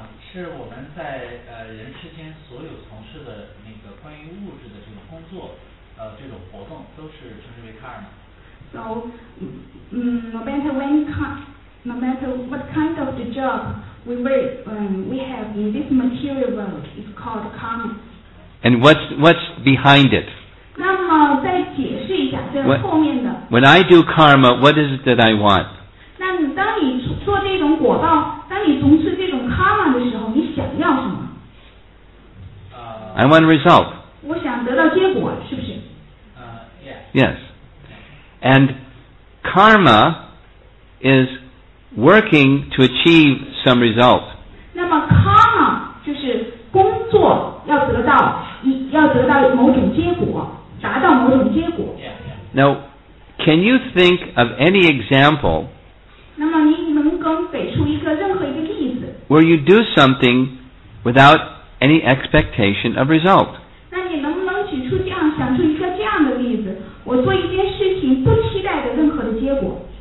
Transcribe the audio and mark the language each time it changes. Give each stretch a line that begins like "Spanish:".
Chinese: 是我们在人世间所有从事的那个关于物质的这种工作这种活动都是称之为 karma.
English: So, no matter what kind of the job we have in this material world is called karma. And what's behind it?
Chinese: 那么再解释一下这后面的。
English: When I do karma, what is it that I want?
Chinese: 那你当你做这种果报当你从事这种 karma 的时候你想要什么
English: I want a result.
Chinese: 我想得到结果是不是
English: Yes. And karma is working to achieve some result.
Chinese: 那么 karma 就是工作要得到某种结果达到某种结果。
English: Now, can you think of any example where you do something without any expectation of result?
Chinese: 那你能不能举出这样想出一个这样的例子？我做一件事情不期待的任何的结果。